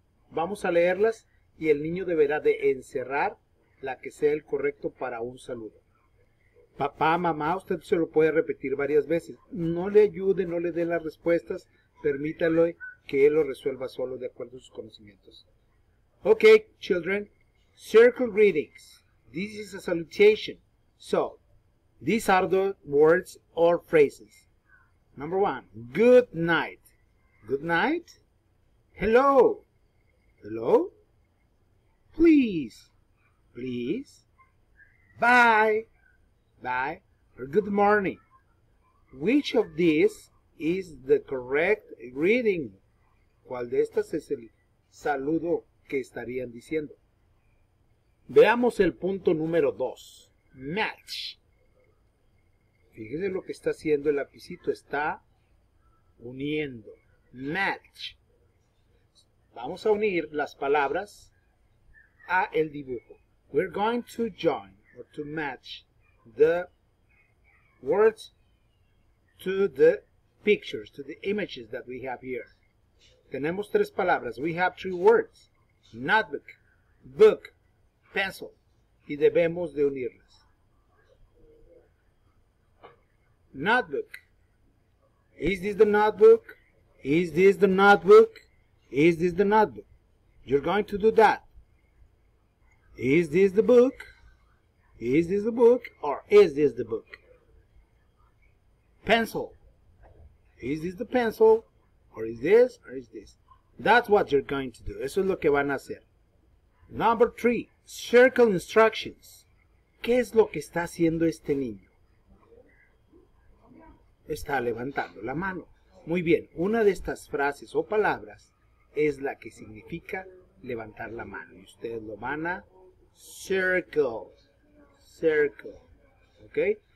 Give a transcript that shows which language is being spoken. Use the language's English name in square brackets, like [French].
[Spanish] Vamos a leerlas y el niño deberá de encerrar la que sea el correcto para un saludo. Papá, mamá, usted se lo puede repetir varias veces. No le ayude, no le dé las respuestas, permítalo que él lo resuelva solo de acuerdo a sus conocimientos. [English] Ok, children, circle greetings. This is a salutation. So, these are the words or phrases. Number one, good night. Good night. Hello. Hello. Please. Please. Bye. Bye. Or good morning. Which of these is the correct greeting? [Spanish] ¿Cuál de estas es el saludo que estarían diciendo? Veamos el punto número 2. Match. Fíjese lo que está haciendo el lapicito, está uniendo. Match. Vamos a unir las palabras a el dibujo. [English] We're going to join or to match the words to the pictures, to the images that we have here. [Spanish] Tenemos 3 palabras. [English] We have 3 words. Notebook, book, pencil. [Spanish] Y debemos de unirlas. [English] Notebook. Is this the notebook? Is this the notebook? Is this the notebook? You're going to do that. Is this the book? Is this the book? Or is this the book? Pencil. Is this the pencil? Or is this? Or is this? That's what you're going to do. [Spanish] Eso es lo que van a hacer. [English] Number 3. Circle instructions. [Spanish] ¿Qué es lo que está haciendo este niño? Está levantando la mano. Muy bien, una de estas frases o palabras es la que significa levantar la mano. Y ustedes lo van a circle. Circle. ¿Ok?